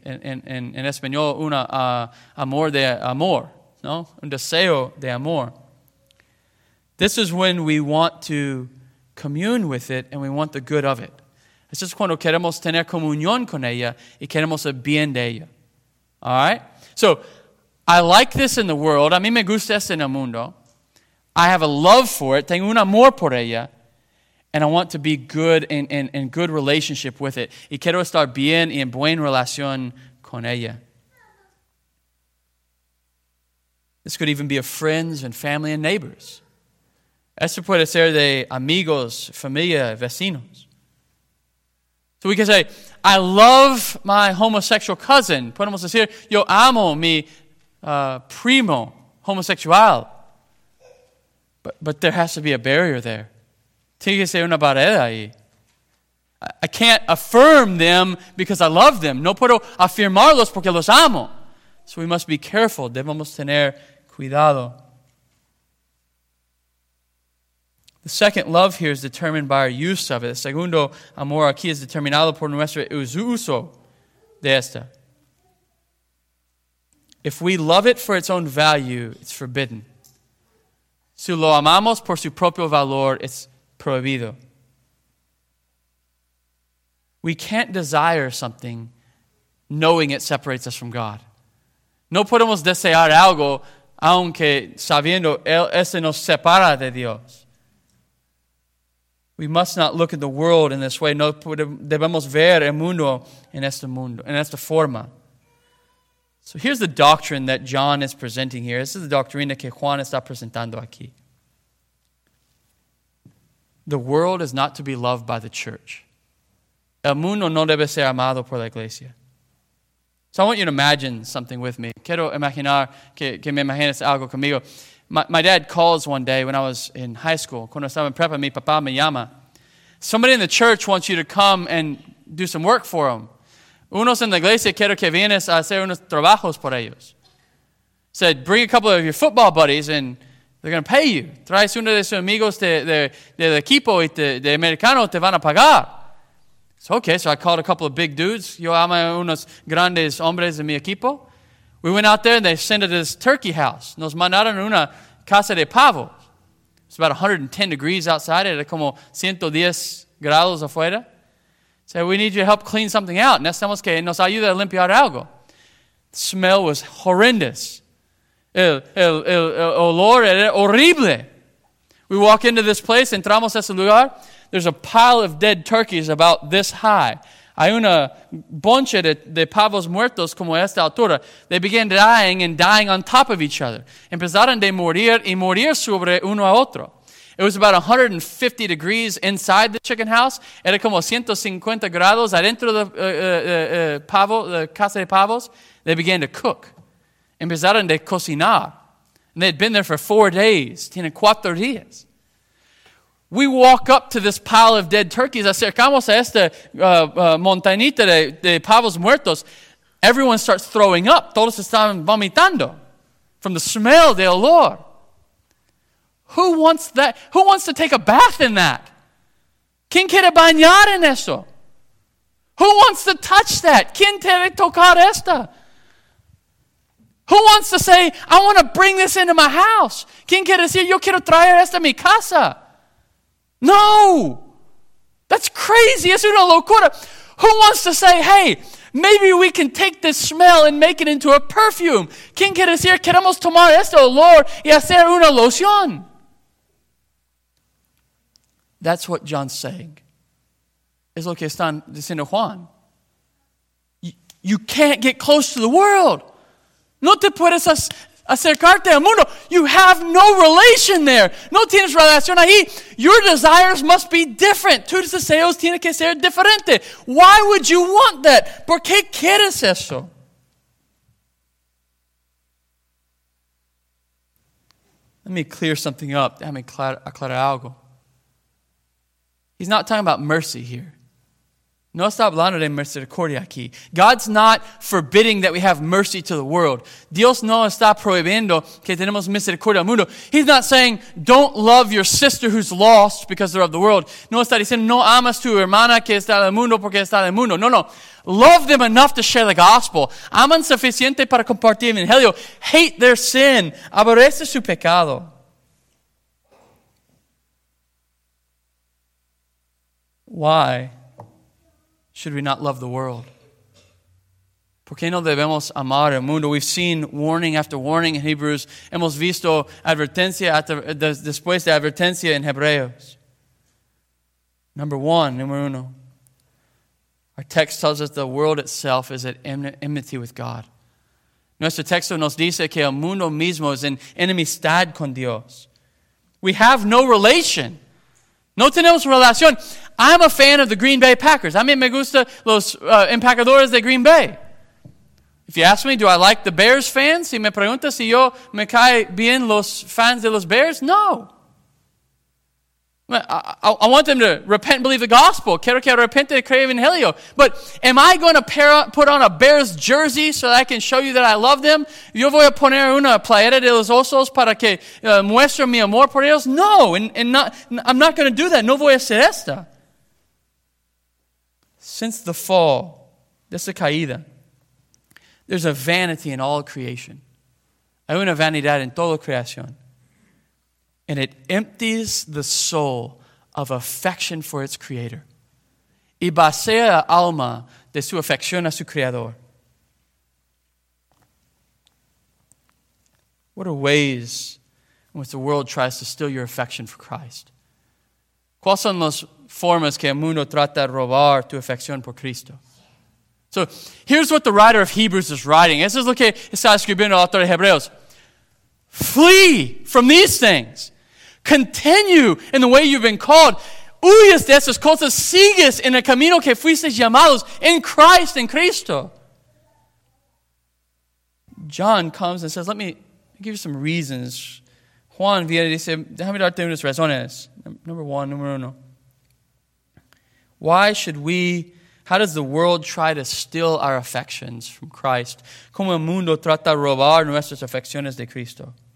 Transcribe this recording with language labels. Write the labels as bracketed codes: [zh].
[es] En español, amor de amor. No? Un deseo de amor. [en] This is when we want to commune with it and we want the good of it. [es] Es just cuando queremos tener comunión con ella y queremos el bien de ella. [en] All right? So, I like this in the world. [es] A mí me gusta esto en el mundo. [en] I have a love for it. [es] Tengo un amor por ella. [en] And I want to be good in good relationship with it. [es] Y quiero estar bien y en buena relación con ella. [en] This could even be of friends and family and neighbors. [es] Esto puede ser de amigos, familia, vecinos. [en] So we can say, I love my homosexual cousin. [es] Podemos decir, yo amo mi primo, homosexual. [en] But there has to be a barrier there. [es] Tiene que ser una barrera ahí. [en] I can't affirm them because I love them. [es] No puedo afirmarlos porque los amo. [en] So we must be careful. [es] Debemos tener cuidado. [en] The second love here is determined by our use of it. [es] El segundo amor aquí es determinado por nuestro uso de esta. [en] If we love it for its own value, it's forbidden. [es] Si lo amamos por su propio valor, [en] it's [es] prohibido. [en] We can't desire something knowing it separates us from God. [es] No podemos desear algo aunque sabiendo ese nos separa de Dios. [en] We must not look at the world in this way. [es] No debemos ver el mundo, en esta forma. [en] So here's the doctrine that John is presenting here. This is the [es] doctrina que Juan está presentando aquí. [en] The world is not to be loved by the church. [es] El mundo no debe ser amado por la iglesia. [en] So I want you to imagine something with me. [es] Quiero imaginar que me imagines algo conmigo. [en] My dad calls one day when I was in high school. [es] Cuando estaba en prepa, mi papá me llama. [en] Somebody in the church wants you to come and do some work for them. [es] Unos en la iglesia quiero que vienes a hacer unos trabajos por ellos. [en] said, bring a couple of your football buddies and they're going to pay you. [es] Traes uno de sus amigos del equipo y de americano te van a pagar. [en] So, okay, so I called a couple of big dudes. [es] Yo amo unos grandes hombres de mi equipo. [en] We went out there and they sent us this turkey house. [es] Nos mandaron una casa de pavo. [en] It's about 110 degrees outside. [es] Era como 110 grados afuera. [en] So we need you to help clean something out. [es] Necesitamos que nos ayude a limpiar algo. [en] The smell was horrendous. [es] El olor era horrible. [en] We walk into this place, [es] entramos a ese lugar. [en] There's a pile of dead turkeys about this high. [es] Hay una bonche de pavos muertos como esta altura. [en] They began dying and dying on top of each other. [es] Empezaron de morir y morir sobre uno a otro. [en] It was about 150 degrees inside the chicken house. [es] Era como 150 grados adentro de pavo, the casa de pavos. [en] They began to cook. [es] Empezaron de cocinar. [en] And they'd been there for 4 days. [es] Tienen 4 días. [en] We walk up to this pile of dead turkeys. [es] Acercamos a esta montañita de pavos muertos. [en] Everyone starts throwing up. [es] Todos están vomitando [en] from the smell, the olor. Who wants that? Who wants to take a bath in that? [es] ¿Quién quiere bañar en eso? [en] Who wants to touch that? [es] ¿Quién quiere tocar esta? [en] Who wants to say, I want to bring this into my house? [es] ¿Quién quiere decir, yo quiero traer esta a mi casa? [en] No, that's crazy. [es] Es una locura. [en] Who wants to say, hey, maybe we can take this smell and make it into a perfume? [es] ¿Quién quiere decir, queremos tomar este olor y hacer una loción? [en] That's what John's saying. [es] Es lo que está diciendo Juan. [en] You can't get close to the world. [es] No te puedes acercarte al mundo. [en] You have no relation there. [es] No tienes relación ahí. [en] Your desires must be different. [es] Tus deseos tienen que ser diferentes. [en] Why would you want that? [es] ¿Por qué quieres eso? [en] Let me clear something up. [es] Déjame aclarar algo. [en] He's not talking about mercy here. [es] No está hablando de misericordia aquí. [en] God's not forbidding that we have mercy to the world. [es] Dios no está prohibiendo que tenemos misericordia al mundo. [en] He's not saying, don't love your sister who's lost because they're of the world. [es] No está diciendo, no amas tu hermana que está del mundo porque está del mundo. No, no. [en] Love them enough to share the gospel. [es] Aman suficiente para compartir el evangelio. [en] Hate their sin. [es] Aborrece su pecado. [en] Why should we not love the world? [es] ¿Por qué no debemos amar el mundo? [en] We've seen warning after warning in Hebrews. [es] Hemos visto advertencia después de advertencia en Hebreos. Número uno. [en] Our text tells us the world itself is at enmity with God. [es] Nuestro texto nos dice que el mundo mismo es en enemistad con Dios. [en] We have no relation. [es] No tenemos relación. [en] I'm a fan of the Green Bay Packers. [es] A mí me gusta los empacadores de Green Bay. [en] If you ask me, do I like the Bears fans? [es] Si me preguntas si yo me cae bien los fans de los Bears, no. [en] I want them to repent and believe the gospel. [es] Quiero que arrepente y crea el evangelio. [en] But am I going to put on a Bears jersey so that I can show you that I love them? [es] Yo voy a poner una playera de los osos para que muestre mi amor por ellos? [en] No, I'm not going to do that. [es] No voy a hacer esta. [en] Since the fall, [es] desde caída, [en] there's a vanity in all creation. [es] Hay una vanidad en toda creación. [en] And it empties the soul of affection for its creator. [es] Y vacía la alma de su afección a su creador. [en] What are ways in which the world tries to steal your affection for Christ? [es] ¿Cuáles son las formas que el mundo trata de robar tu afección por Cristo? [en] So here's what the writer of Hebrews is writing. [es] Eso es lo que está escribiendo el autor de Hebreos. [en] Flee from these things. Continue in the way you've been called. [es] Huyes de esas cosas. Sigues en el camino que fuiste llamados en Christ, en Cristo. [en] John comes and says, let me give you some reasons. [es] Juan viene y dice, déjame darte unas razones. [en] Number one. Why should we How does the world try to steal our affections from Christ? [es] ¿Cómo el mundo trata robar nuestras afecciones de Cristo?